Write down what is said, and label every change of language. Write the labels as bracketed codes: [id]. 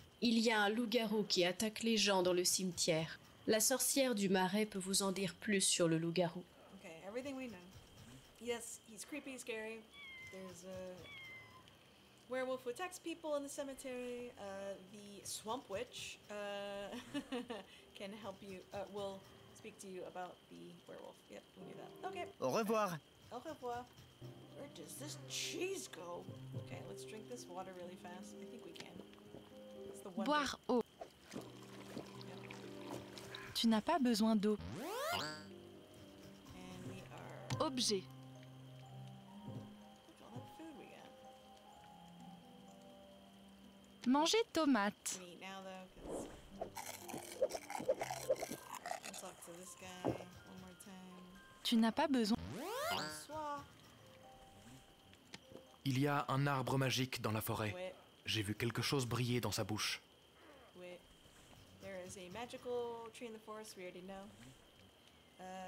[fr] Il y a un loup-garou qui attaque les gens dans le cimetière. La sorcière du marais peut vous en dire plus sur le loup-garou. [en] Okay, everything we know. Yes, he's creepy, scary. There's a werewolf who attacks people in the cemetery. The swamp witch can help you. Will speak to you about the werewolf. Yep, we knew that. Okay. [fr] Au revoir. Au revoir. [en] Where does this cheese go? Okay, let's drink this water really fast. I think we can. It's the one [fr] boire thing. Eau. Yep. Tu n'as pas besoin d'eau. [en] And we are... [fr] Objet. [en] Look at all that food we got. [fr] Manger tomate. [en] We eat now though, because... Let's talk to this guy one more time. [fr] Tu n'as pas besoin... Il y a un arbre magique dans la forêt. J'ai vu quelque chose briller dans sa bouche. Oui. [en] There is a magical tree in the forest, we already know.